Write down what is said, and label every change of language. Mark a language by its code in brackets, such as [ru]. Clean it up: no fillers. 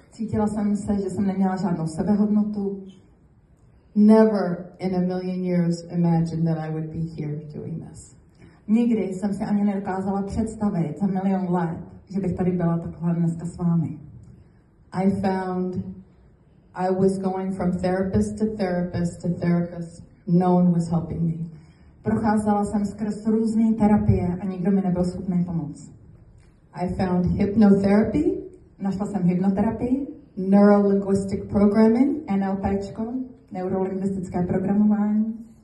[cs] Cítila jsem se, že jsem neměla žádnou sebehodnotu. [en] Never in a million years imagined that I would be here doing this. [cs] Nikdy jsem si ani nedokázala představit za milion let, že bych tady byla takhle dneska s vámi. [en] I found I was going from therapist to therapist to therapist. No one was helping me. [cs] Procházela jsem skrz různé terapie a nikdo mi nebyl schopný pomoct. [en] I found hypnotherapy. [cs] Našla jsem hypnoterapii. [en] Neurolinguistic programming. [cs] NLPčko. Neurolinguistické programování.